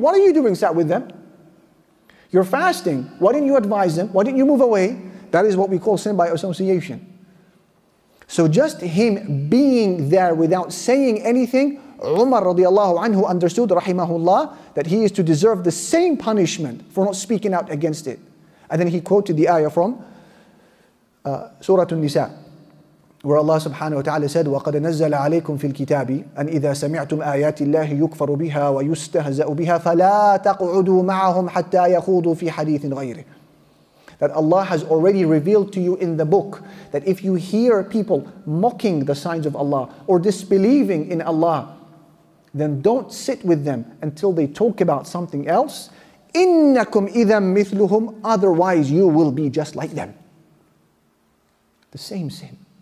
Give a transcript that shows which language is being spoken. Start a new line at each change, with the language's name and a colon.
English: What are you doing sat with them? You're fasting. Why didn't you advise them? Why didn't you move away? That is what we call sin by association. So just him being there without saying anything, Umar radiallahu anhu understood, rahimahullah, that he is to deserve the same punishment for not speaking out against it. And then he quoted the ayah from Surah An-Nisa, where Allah subhanahu wa ta'ala said,
Arabic: وَقَدْ نَزَّلَ عَلَيْكُمْ فِي الْكِتَابِ أَنْ إِذَا سَمِعْتُمْ آيَاتِ اللَّهِ يُكْفَرُ بِهَا وَيُسْتَهْزَأُ بِهَا فَلَا تَقْعُدُوا مَعَهُمْ حَتَّى يَخُوضُوا فِي حَدِيثٍ غَيْرِهِ.
English: That Allah has already revealed to you in the book that if you hear people mocking the signs of Allah or disbelieving in Allah, then don't sit with them until they talk about something else.
Arabic: إِنَّكُمْ إِذًا مِثْلُهُمْ.
English: Otherwise, you will be just like them. The same sin.